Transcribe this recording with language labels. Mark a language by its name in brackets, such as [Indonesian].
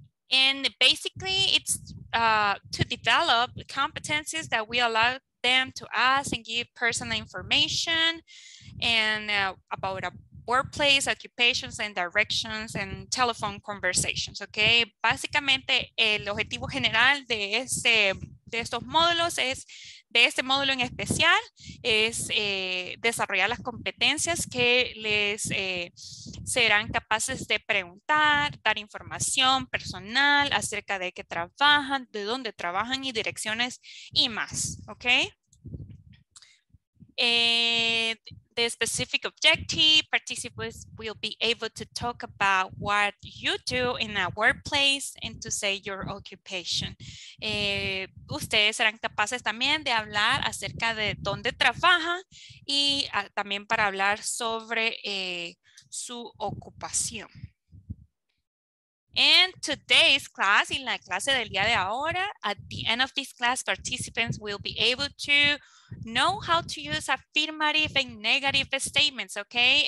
[English] And basically, it's to develop competencies that we allow them to ask and give personal information and about a workplace, occupations and directions and telephone conversations, okay? [Spanish] Básicamente, el objetivo general de este de estos módulos es, de este módulo en especial, es desarrollar las competencias que les serán capaces de preguntar, dar información personal acerca de qué trabajan, de dónde trabajan y direcciones y más, ¿ok? [English] The specific objective, participants will be able to talk about what you do in a workplace and to say your occupation. [Spanish] Ustedes serán capaces también de hablar acerca de dónde trabajan y también para hablar sobre su ocupación. [English] And today's class, [Spanish] en la clase del día de ahora, [English] at the end of this class, participants will be able to know how to use affirmative and negative statements, okay?